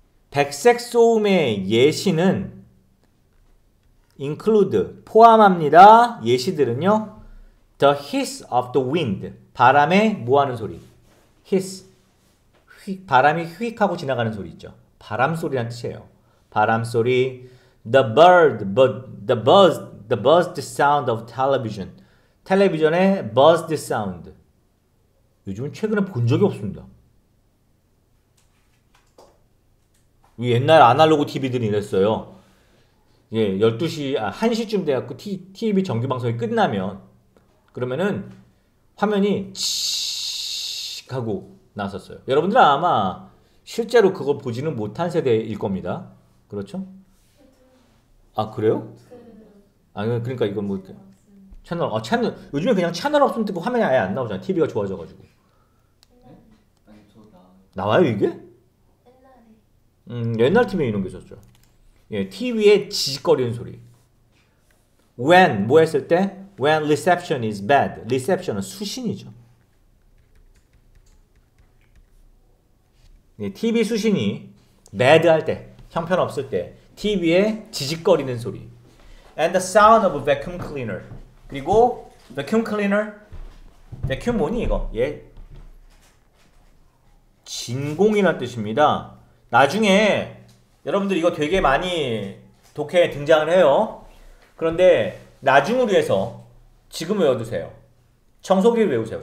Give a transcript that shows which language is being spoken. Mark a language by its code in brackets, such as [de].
[ko] 백색 소음의 예시는 include, 포함합니다. 예시들은요. [en] The hiss of the wind. [ko] 바람에 뭐 하는 소리? hiss. 휙, 바람이 휙 하고 지나가는 소리 있죠. 바람 소리란 뜻이에요. 바람 소리. [en] The buzzed sound of television. [ko] 텔레비전의 [en] buzzed sound. [ko] 요즘은 최근에 본 적이 없습니다. 옛날 아날로그 TV들은 이랬어요. 예, 12시, 1시쯤 돼갖고 TV 정규방송이 끝나면, 그러면은 화면이 치익 하고 나섰어요. 여러분들은 아마 실제로 그거 보지는 못한 세대일 겁니다. 그렇죠? 아, 그래요? 아, 그러니까 이건 뭐, 채널, 요즘에 그냥 채널 없으면 뜨고 화면이 아예 안 나오잖아. TV가 좋아져가지고. 나와요, 이게? 옛날 TV에 이런 게 있었죠. 예, TV에 지직거리는 소리. [en] When, [ko] 뭐 했을 때? [en] When reception is bad. [ko] Reception은 수신이죠. 예, TV 수신이 [en] bad [ko] 할 때, 형편없을 때, TV에 지직거리는 소리. [en] And the sound of a vacuum cleaner. [ko] 그리고, [en] vacuum cleaner. [ko] vacuum 뭐니, 이거? 예. 진공이란 뜻입니다. 나중에 여러분들 이거 되게 많이 독해에 등장을 해요. 그런데 나중을 위해서 지금 외워두세요. 청소기를 외우세요.